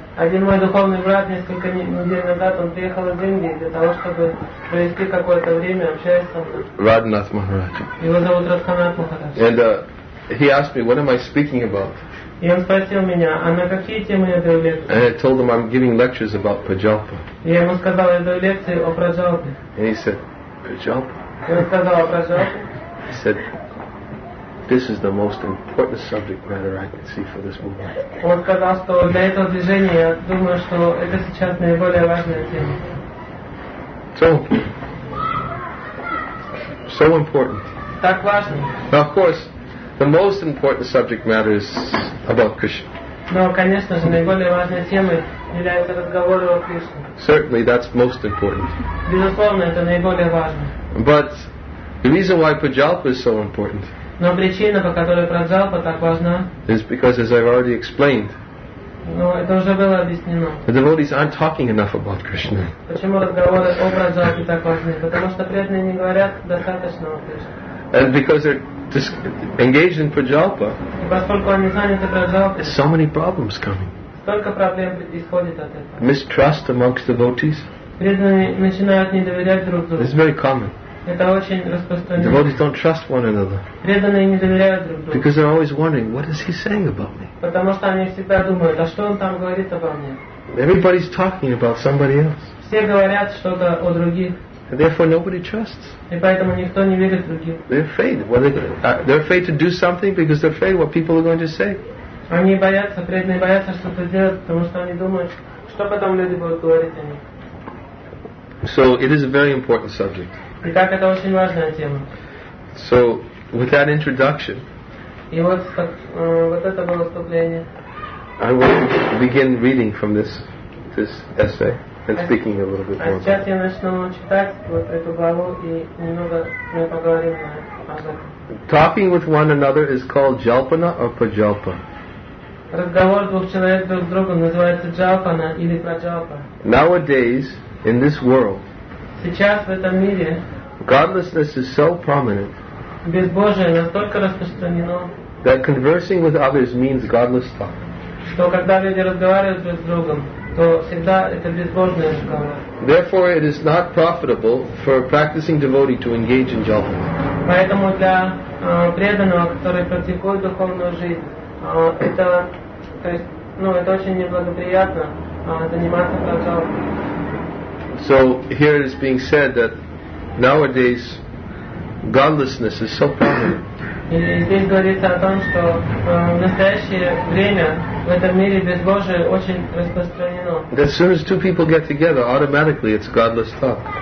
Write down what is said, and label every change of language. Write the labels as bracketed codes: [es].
[ru] Один мой духовный брат несколько недель назад он приехал из Индии для того, чтобы провести какое-то время, общаясь со мной. Радханath Maharaj. Его зовут Радханath Maharaj. [en] And he asked me, what am I speaking about? [ru] И он спросил меня, а на какие темы я даю лекции? [en] And I told him I'm giving lectures about prajalpa. [ru] И я ему сказал, я даю лекции о prajalpa. [en] And he said, prajalpa? [ru] И он сказал, о prajalpa? [en] He said, this is the most important subject matter I can see for this movement. [ru] Он сказал, что для этого движения я думаю, что это сейчас наиболее важная тема. [en] So important. [ru] Так важно. [en] Now, of course, the most important subject matter is about Krishna. [ru] Но, конечно же, наиболее важной темой является разговор о Кришне. [en] Certainly, that's most important. [ru] Безусловно, это наиболее важно. [en] But the reason why Prajalpa is so important. [ru] Но причина, по которой Праджалпа так важна. [en] Is because, as I've already explained. [ru] Но это уже было объяснено. [en] The devotees aren't talking enough about Krishna. [ru] Почему разговоры о Праджалпе так важны? Потому что преданные не говорят достаточно о Кришне. [en] And because they're engaged in Prajalpa. [ru] Поскольку они заняты Праджалпой. [en] So many problems coming. [ru] Столько проблем исходит от этого. [en] Mistrust amongst devotees. [ru] Преданные начинают не доверять друг другу. [en] It's very common. [ru] Это очень распространено. [en] Devotees don't trust one another. [ru] Преданные не доверяют друг другу. [en] Because they're always wondering, what is he saying about me? [ru] Потому что они всегда думают, а что он там говорит обо мне? [en] Everybody's talking about somebody else. [ru] Все говорят что-то о других. [en] And therefore, nobody trusts. [ru] И поэтому никто не верит другим. [en] They're afraid. What they're afraid to do something because they're afraid what people are going to say. [ru] Они боятся, преданные боятся что-то делать, потому что они думают, что потом люди будут говорить о них. [en] So it is a very important subject. [ru] Итак, это очень важная тема. [en] So with that introduction. [ru] И вот вот это было вступление. [en] I will begin reading from this essay. And speaking a little bit more. [ru] Сейчас я начну читать вот эту главу и немного мы поговорим о этом. [en] Talking with one another is called jalpana or prajalpa. [ru] Разговор двух человек друг с другом называется джалпана или праджалпа. [en] Nowadays, in this world, [ru] сейчас в этом мире, [en] godlessness is so prominent. [ru] Безбожие настолько распространено. [en] That conversing with others means godless talk. [ru] Что когда люди разговаривают друг с другом. [en] Therefore, it is not profitable for a practicing devotee to engage in jalpana. [ru] Поэтому для преданного, который практикует духовную жизнь, это, то есть, ну, это очень неблагоприятно заниматься праджалпой. [en] So here it is being said that nowadays godlessness is so prominent. [ru] И здесь говорится о том, что в настоящее время в этом мире безбожие очень распространено. [en] As soon as two people get together, automatically it's godless talk.